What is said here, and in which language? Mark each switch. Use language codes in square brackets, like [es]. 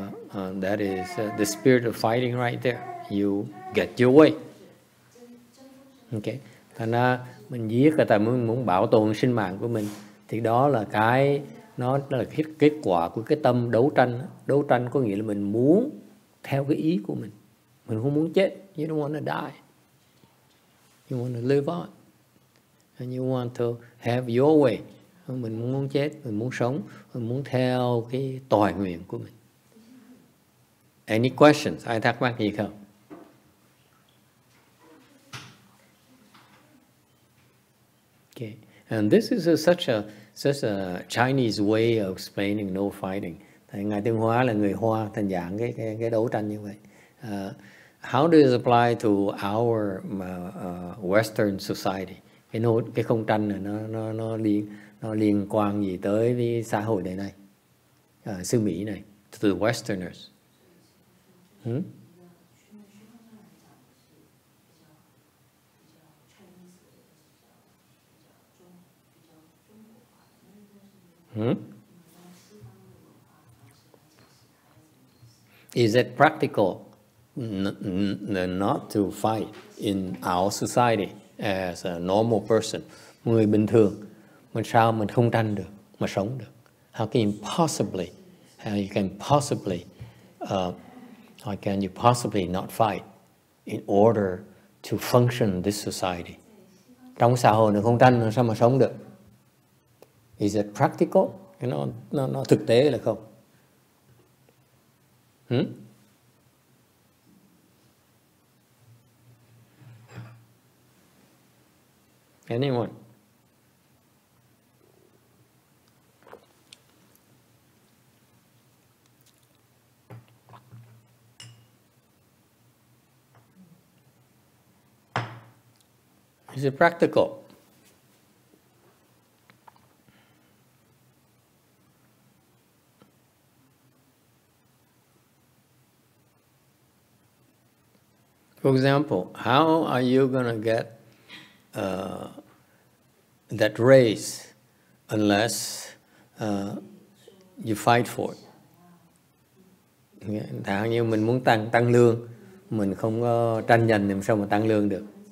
[en] And that is the spirit of fighting right there. You get your way, okay? [vi] Thành ra mình giết là tại muốn bảo tồn sinh mạng của mình, thì đó là cái nó là kết quả của cái tâm đấu tranh. Đấu tranh có nghĩa là mình muốn theo cái ý của mình. Mình không muốn chết. [en] You don't want to die. You want to live on. And you want to have your way. [vi] Mình muốn chết, mình muốn sống, mình muốn theo cái tòi nguyện của mình. [en] Any questions? [vi] Ai thắc mắc gì không? [en] Okay. And this is such a Chinese way of explaining no fighting. [vi] Ngài Tương Hóa là người Hoa, thành giảng cái đấu tranh như vậy. [en] How does it apply to our Western society? [vi] Cái không tranh này nó liên quan gì tới với xã hội đời này, xứ Mỹ này? [en] To the Westerners. Is it practical not to fight in our society as a normal person? [vi] Người bình thường, mình sao mình không tranh được, mà sống được? [en] How can you possibly not fight in order to function this society? [vi] Trong xã hội này không tranh, sao mà sống được? [en] Is it practical? [vi] Nó thực tế là không? [en] Anyone? Is it practical? For example, how are you going to get that race unless you fight for it? [vi] Thật như mình muốn tăng lương, mình không có tranh giành thì sao mà tăng lương được?